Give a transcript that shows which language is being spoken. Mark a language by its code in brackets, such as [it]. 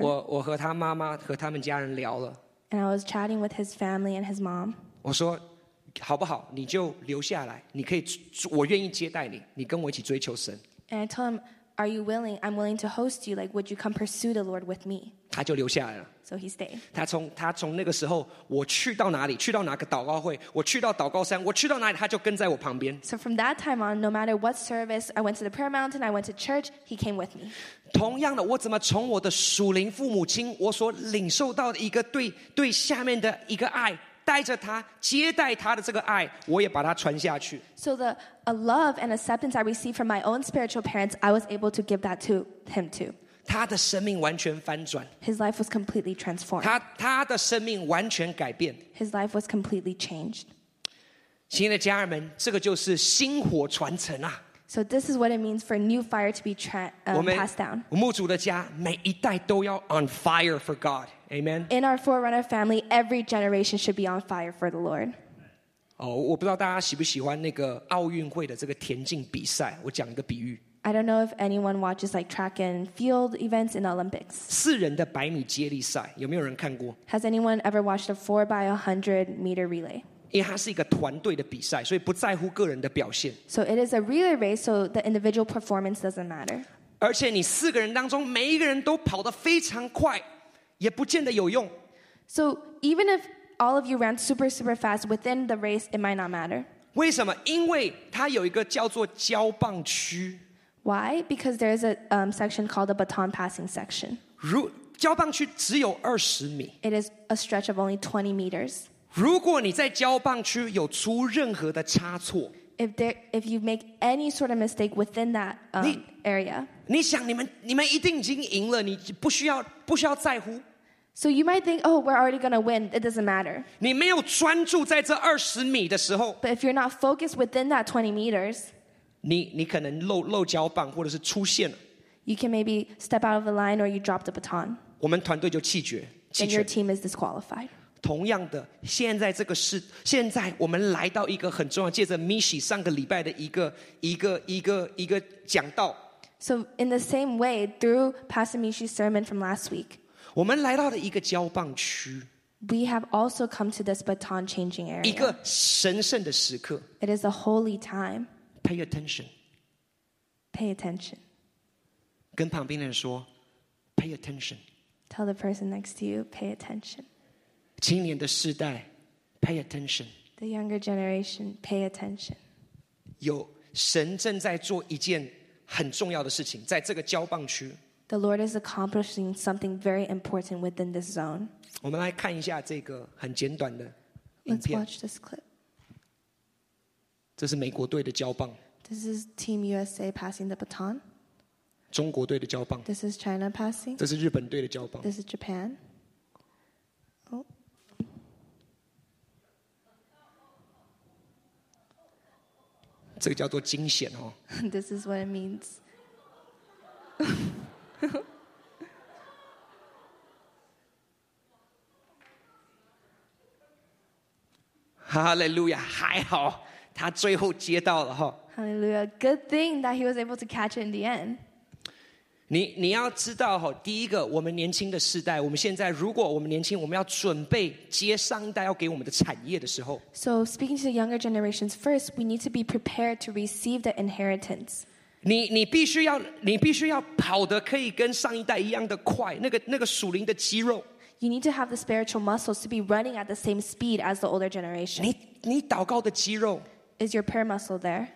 [zh] 我和他妈妈和他们家人聊了。 [en] And I was chatting with his family and his mom. [zh] 我说，好不好？你就留下来，你可以，我愿意接待你，你跟我一起追求神。 [en] And I told him, Are you willing? I'm willing to host you. Like, would you come pursue the Lord with me? [zh] 他就留下来了。 [en] So he stayed. [zh] 他从那个时候，我去到哪里，去到哪个祷告会，我去到祷告山，我去到哪里，他就跟在我旁边。 [en] So from that time on, no matter what service, I went to the prayer mountain, I went to church, he came with me. [zh] 同样的，我怎么从我的属灵父母亲，我所领受到的一个对下面的一个爱，带着他接待他的这个爱，我也把他传下去。 [en] So the a love and acceptance I received from my own spiritual parents, I was able to give that to him too. [zh] 他的生命完全翻转。 [en] His life was completely transformed. [zh] 他的生命完全改变。 [en] His life was completely changed. [zh] 亲爱的家人们，这个就是薪火传承啊。 [en] So this is what it means for new fire to be passed down. [zh] 牧主的家每一代都要 [en] on fire for God. Amen. In our Forerunner family, every generation should be on fire for the Lord. [zh] 哦，我不知道大家喜不喜欢那个奥运会的这个田径比赛。我讲一个比喻。 [en] I don't know if anyone watches like track and field events in the Olympics. [zh] 四人的百米接力赛，有没有人看过 [en] ？Has anyone ever watched a 4x100 meter relay? [zh] 因为它是一个团队的比赛，所以不在乎个人的表现。 [en] So it is a relay race, so the individual performance doesn't matter. [zh] 而且你四个人当中每一个人都跑得非常快，也不见得有用。 [en] So even if all of you ran super super fast within the race, it might not matter. [zh] 为什么？因为它有一个叫做交棒区。 [en] Why? Because there is a section called the baton passing section. [zh] 交棒区只有20米。 [en] It is a stretch of only 20 meters. [zh] 如果你在交棒区有出任何的差错 [en] if you make any sort of mistake within that area, [zh] 你想你们一定已经赢了，你不需要在乎。 [en] So you might think, oh, we're already going to win. It doesn't matter. [zh] 你没有专注在这20米的时候 [en] But if you're not focused within that 20 meters, [zh] 你可能漏交棒或者是出线了 [en] You can maybe step out of the line or you drop the baton. [zh] 我们团队就弃绝 [en] Then your team is disqualified. [zh] 同样的现在我们来到一个很重要借着 Mishi 上个礼拜的一个讲道 [en] So in the same way, through Pastor Mishi's sermon from last week, [zh] 我们来到了一个交棒区 [en] We have also come to this baton changing area. [zh] 一个神圣的时刻 [en] It is a holy time. Pay attention. Pay attention. [zh] 跟旁边的人说 [en] Pay attention. Tell the person next to you, pay attention. [zh] 青年的世代 [en] Pay attention. The younger generation, pay attention. [zh] 有神正在做一件很重要的事情在这个交棒区 [en] The Lord is accomplishing something very important within this zone. [zh] 我们来看一下这个很简短的影片 [en] Let's watch this clip. [zh] 这是美国队的交棒。 [en] This is Team USA passing the baton. [zh] 中国队的交棒。 [en] This is China passing. [zh] 这是日本队的交棒。 [en] This is Japan. Oh. [zh] 这个叫做惊险哦。 [en] This is what it means. [zh] 哈利路亚，还好。他最后接到了哈。 [en] Hallelujah! Good thing that he was able to catch it in the end. [zh] 你要知道哈，第一个，我们年轻的世代，我们现在如果我们年轻，我们要准备接上一代要给我们的产业的时候。 [en] So speaking to the younger generations, first we need to be prepared to receive the inheritance. [zh] 你必须要跑得可以跟上一代一样的快，那个属灵的肌肉。 [en] You need to have the spiritual muscles to be running at the same speed as the older generation. [zh] 你祷告的肌肉 [en] is your prayer muscle there?